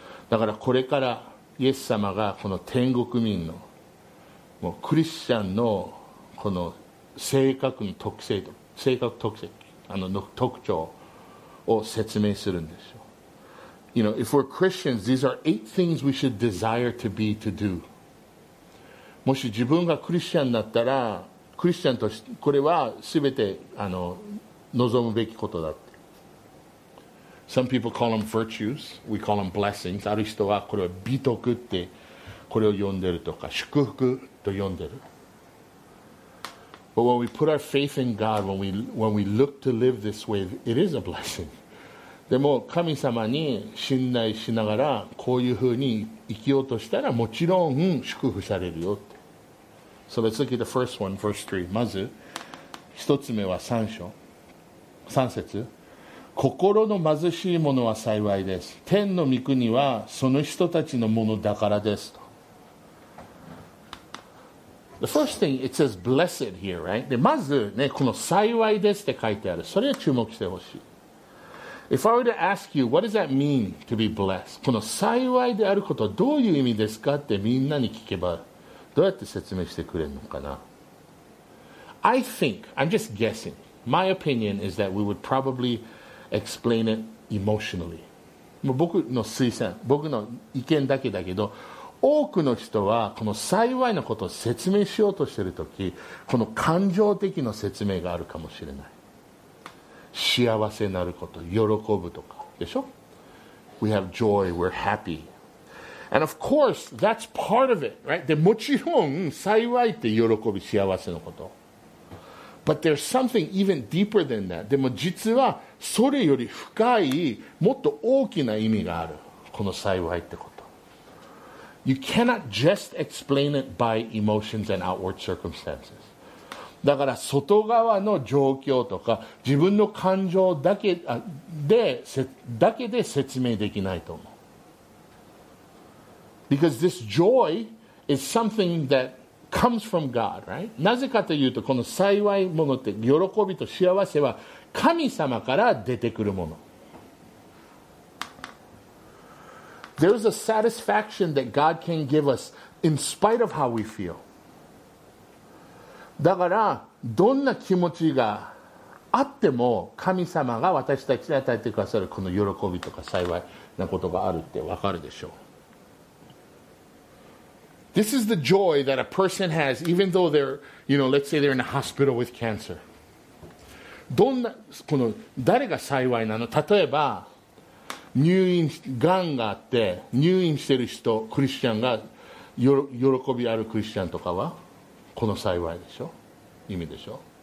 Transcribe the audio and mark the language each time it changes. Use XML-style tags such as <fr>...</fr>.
<ja>だからこれからイエス様がこの天国民のもうクリスチャンのこの性格特徴を説明するんですよ。</ja> <en>You know, if we're Christians, these are 8 things we should desire to be, to do.</en> <ja>もし自分がクリスチャンだったら、クリスチャンとしてこれは全て望むべきことだって。</ja> <en>Some people call them virtues. We call them blessings.</en> <ja>ある人はこれは美徳ってこれを呼んでるとか、祝福と呼んでる。</ja> <en>But when we put our faith in God, when we look to live this way, it is a blessing.</en> <ja>でも神様に信頼しながらこういうふうに生きようとしたら、もちろん祝福されるよって。</ja> <en>So let's look at the first one, verse 3.</en> <ja>まず一つ目は三章三節。心の貧しい者は幸いです、天の御国はその人たちのものだからですと。</ja> <en>The first thing, it says blessed here, right?</en> <ja>でまずね、この幸いですって書いてある。それを注目してほしい。</ja> <en>If I were to ask you, what does that mean to be blessed?</en> <ja>この幸いであることはどういう意味ですかってみんなに聞けば、どうやって説明してくれるのかな。</ja> <en>I think, I'm just guessing. My opinion is that we would probably explain it emotionally.</en> <ja>僕の推薦、僕の意見だけど、多くの人はこの幸いのことを説明しようとしているとき、この感情的な説明があるかもしれない。幸せなること、喜ぶとか、でしょ。</ja> <en>We have joy, we're happy. And of course, that's part of it, right?</en> <ja>で、もちろん、幸いって喜び、幸せのこと。</ja> <en>But there's something even deeper than that.</en> <ja>でも実は、それより深い、もっと大きな意味がある。この幸いってこと。</ja> <en>You cannot just explain it by emotions and outward circumstances.</en> <ja>だから、外側の状況とか、自分の感情だけで説明できないと思う。</ja> <en>Because this joy is something that comes from God, right?</en> <ja>なぜかというと、この幸いものって、喜びと幸せは神様から出てくるもの。</ja> <en>There's a satisfaction that God can give us in spite of how we feel.</en> <ja>だから、どんな気持ちがあっても、神様が私たちに与えてくださるこの喜びとか幸いなことがあるってわかるでしょう。</ja> <en>This is the joy that a person has even though they're, you know, let's say they're in a hospital with cancer.</en> <ja>どんな、この、誰が幸いなの？例えば、入院がんがあって入院してる人クリスチャンが喜びあるクリスチャンとかはこの幸いでしょ意味でしょ</ja>